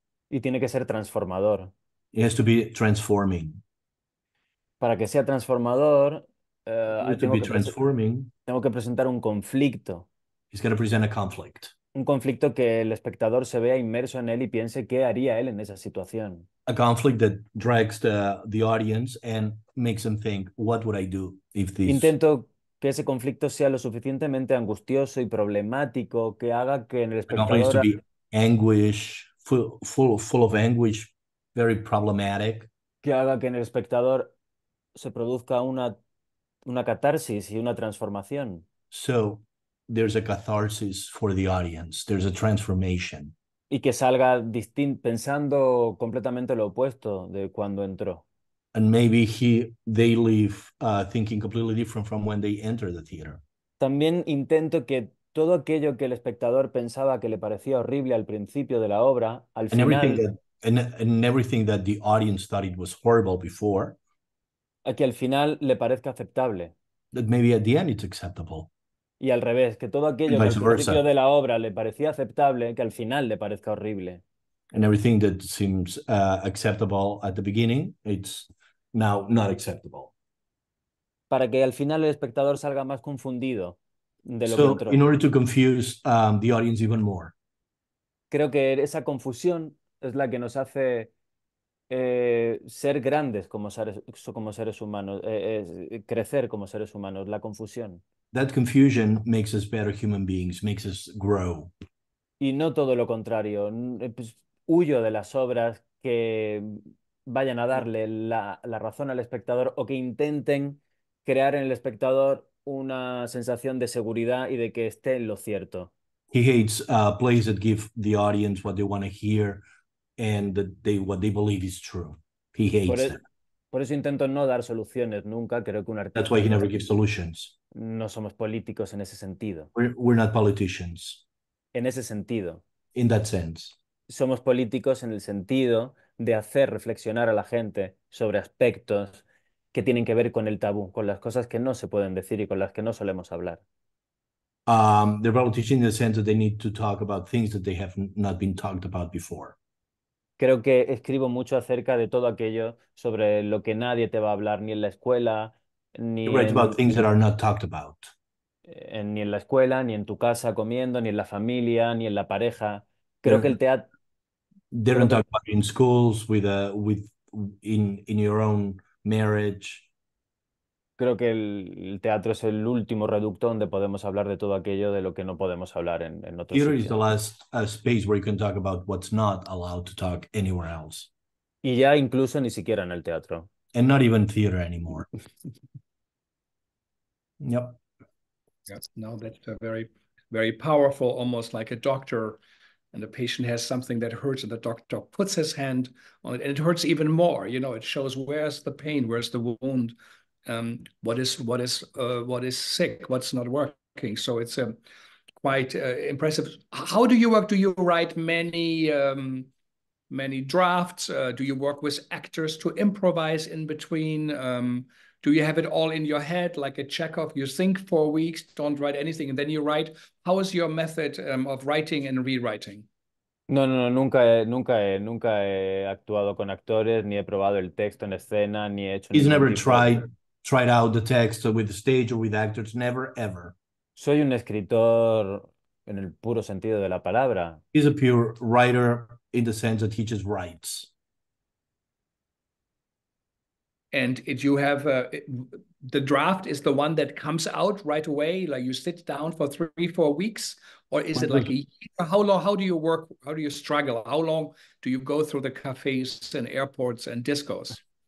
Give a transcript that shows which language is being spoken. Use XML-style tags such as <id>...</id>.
<es>Y tiene que ser transformador.</es> <en>It has to be transforming.</en> <es>para que sea transformador, tengo que presentar un conflicto.</es> <en>He's going to present a conflict.</en> <es>Un conflicto que el espectador se vea inmerso en él y piense qué haría él en esa situación.</es> <en>A conflict that drags the audience and makes them think, what would I do if this...</en> <es>Intento que ese conflicto sea lo suficientemente angustioso y problemático que haga que en el espectador...</es> <en>To be anguish, full of anguish, very problematic.</en> <es>Que haga que en el espectador se produzca una catarsis y una transformación.</es> <en>So, there's a catharsis for the audience. There's a transformation.</en> <es>Y que salga pensando completamente lo opuesto de cuando entró.</es> <en>And maybe they leave thinking completely different from when they enter the theater.</en> <es>También intento que todo aquello que el espectador pensaba que le parecía horrible al principio de la obra, al</es> <en>and</en> <es>final...</es> <en>And everything that the audience thought it was horrible before.</en> <es>A que al final le parezca aceptable.</es> <en>That maybe at the end it's acceptable.</en> <es>Y al revés, que todo aquello que al principio de la obra le parecía aceptable, que al final le parezca horrible.</es> <en>And everything that seems acceptable at the beginning, it's now not acceptable.</en> <es>Para que al final el espectador salga más confundido de lo</es> <en>so,</en> <es>que entró.</es> <en>In order to confuse the audience even more.</en> <es>Creo que esa confusión es la que nos hace ser grandes como seres humanos, crecer como seres humanos, la confusión.</es> <en>That confusion makes us better human beings, makes us grow.</en> <es>Y no todo lo contrario. Huyo de las obras que vayan a darle la razón al espectador o que intenten crear en el espectador una sensación de seguridad y de que esté en lo cierto.</es> <en>He hates plays that give the audience what they want to hear and that they what they believe is true. He hates that.</en> <es>Por eso intento no dar soluciones nunca. Creo que un artista.</es> <en>That's why he never gives solutions.</en> <es>No somos políticos en ese sentido.</es> <en>We're not politicians.</en> <es>En ese sentido.</es> <en>In that sense.</en> <es>Somos políticos en el sentido de hacer reflexionar a la gente sobre aspectos que tienen que ver con el tabú, con las cosas que no se pueden decir y con las que no solemos hablar.</es> <en>They're politicians in the sense that they need to talk about things that they have not been talked about before.</en> <es>Creo que escribo mucho acerca de todo aquello sobre lo que nadie te va a hablar ni en la escuela ni</es> <en>you write</en> <es>en,</es> <en>about things that are not talked about.</en> <es>En, ni en la escuela, ni en tu casa comiendo, ni en la familia, ni en la pareja. Creo que el teatro</es> <en>they don't talk about it in schools with a with in your own marriage.</en> <es>Creo que el teatro es el último reducto donde podemos hablar de todo aquello de lo que no podemos hablar en otros sitios.</es> <en>Here is the last space where you can talk about what's not allowed to talk anywhere else.</en> <es>Y ya incluso ni siquiera en el teatro.</es> <en>And not even theater anymore. Yep. Yes, no, that's a very, very powerful, almost like a doctor. And the patient has something that hurts, and the doctor puts his hand on it, and it hurts even more. You know, it shows where's the pain, where's the wound, what is sick, what's not working. So it's quite impressive. How do you work? Do you write many many drafts? Do you work with actors to improvise in between? Do you have it all in your head, like a Chekhov? You think 4 weeks, don't write anything, and then you write. How is your method of writing and rewriting?</en> <es>No, nunca he actuado con actores, ni he probado el texto en escena, ni he hecho.</es> <en>He's never tried out the text with the stage or with actors. Never, ever.</en> <es>Soy un escritor en el puro sentido de la palabra.</es> <en>He's a pure writer in the sense that he just writes. And if you have the draft is the one that comes out right away, like you sit down for 3-4 weeks, or is it like a year? How do you work? How do you struggle? How long do you go through the cafes and airports and discos?</en>